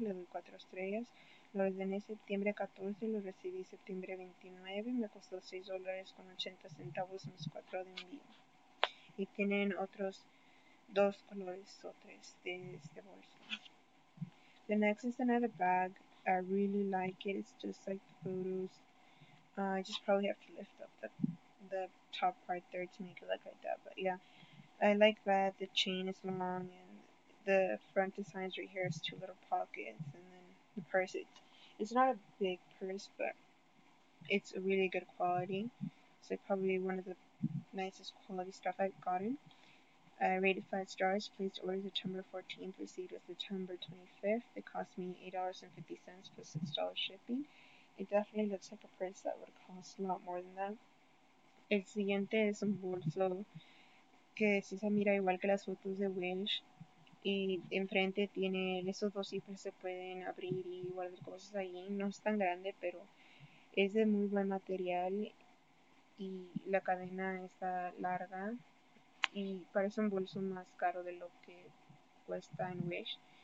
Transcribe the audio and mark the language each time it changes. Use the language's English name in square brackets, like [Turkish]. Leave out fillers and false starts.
[Spanish] Le doy 4 estrellas. Lo ordené septiembre 14, lo recibí septiembre 29, me costó $6 con 80 centavos más 4 de envío. Y tienen otros dos colores o tres de este bolso. [English] The next is another bag. I really like it. It's just like the photos. I just probably have to lift up the top part there to make it look like that. But yeah, I like that the chain is long and the front designs right here is two little pockets and the purse, it's not a big purse, but it's a really good quality. It's like probably one of the nicest quality stuff I've gotten. rated 5 stars, placed order September 14th, received September 25th. It cost me $8.50 plus $6 shipping. It definitely looks like a purse that would cost a lot more than that. [Spanish] El siguiente es un bolso que sí se mira igual que las fotos de Wish. Y enfrente tiene esos dos zippers que se pueden abrir y guardar cosas ahí. No es tan grande, pero es de muy buen material. Y la cadena está larga. Y parece un bolso más caro de lo que cuesta en Wish.